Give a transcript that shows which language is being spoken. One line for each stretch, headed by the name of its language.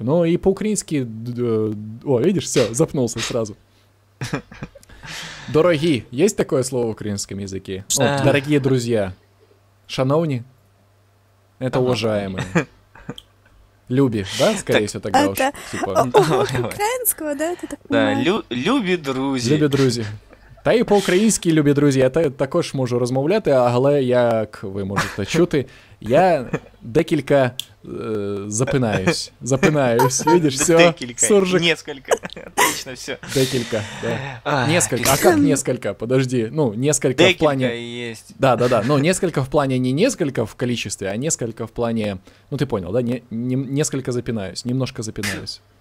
Russian: Но и по-украински... О, видишь, все, запнулся сразу. Дорогие, есть такое слово в украинском языке? О, дорогие друзья. Шановні, это уважаемые. Любі, да, скорее всего, тогда уж. Украинского, да, это так понимаешь? Да,
Ukrainian: любі друзі. Любі друзі. Та і по-українськи, любі друзі, я також можу розмовляти, але, як ви можете чути, я декілька запинаюсь, видиш, все, суржик.
Russian: Несколько, отлично, все.
Ukrainian: Декілька, да.
Russian: Несколько, а как несколько, подожди, ну, несколько декілька в плане... Декілька есть. Да-да-да, но несколько в плане не несколько в количестве, а несколько в плане, ну, ты понял, да, несколько запинаюсь, немножко запинаюсь.